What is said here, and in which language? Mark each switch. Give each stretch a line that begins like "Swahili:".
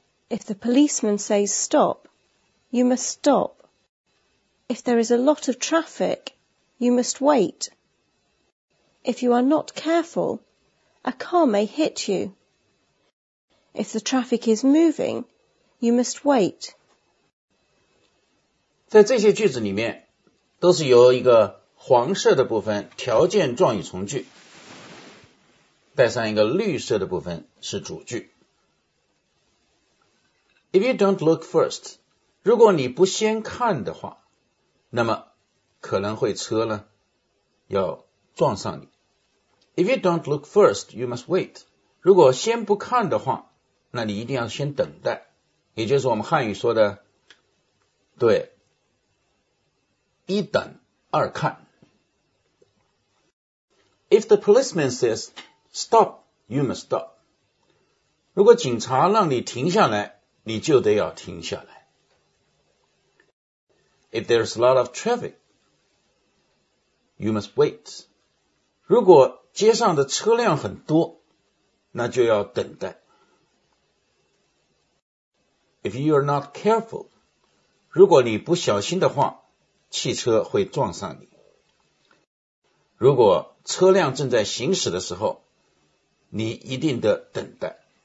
English: If the policeman says stop, you must stop. If there is a lot of traffic,You must wait. If you are not careful, a car may hit you. If the traffic is moving, you must wait.
Chinese: 在这些句子里面，都是由一个黄色的部分条件状语从句，带上一个绿色的部分是主句。
English: If you don't look first,
Chinese: 如果你不先看的话，那么可能会车呢要撞上你。
English: If you don't look first, you must wait.
Chinese: 如果先不看的话，那你一定要先等待。也就是我们汉语说的，对，一等二看。
English: If the policeman says stop, you must stop.
Chinese: 如果警察让你停下来，你就得要停下来。
English: If there's a lot of traffic,You must wait.
Chinese: 如果街上的车辆很多，那就要等待。
English: If you are not careful,
Chinese: 如果你不小心的话，汽车会撞上你。如果车辆正在行驶的时候，你一定得等待。